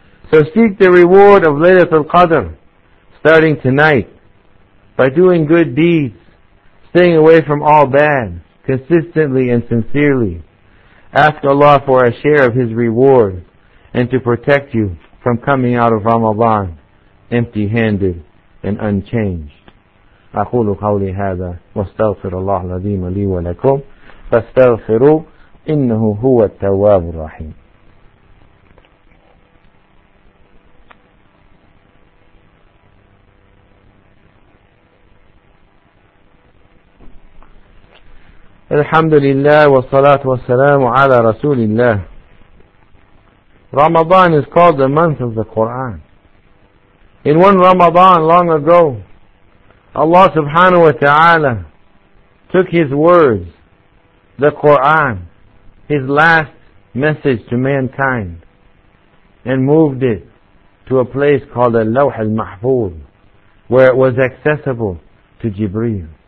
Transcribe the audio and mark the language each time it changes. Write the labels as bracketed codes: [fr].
[en] So seek the reward of Laylatul Qadr starting tonight by doing good deeds, staying away from all bad, consistently and sincerely. Ask Allah for a share of His reward and to protect you from coming out of Ramadan empty-handed and unchanged. [ar] أقول قولي هذا واستغفر الله العظيم لي ولكم فاستغفروا إنه هو التواب الرحيم. الحمد لله والصلاة والسلام على رسول الله. [en] Ramadan is called the month of the Quran. In one Ramadan long ago, Allah subhanahu wa ta'ala took His words, the Quran, His last message to mankind, and moved it to a place called Al-Lawh Al-Mahfuz, where it was accessible to Jibreel.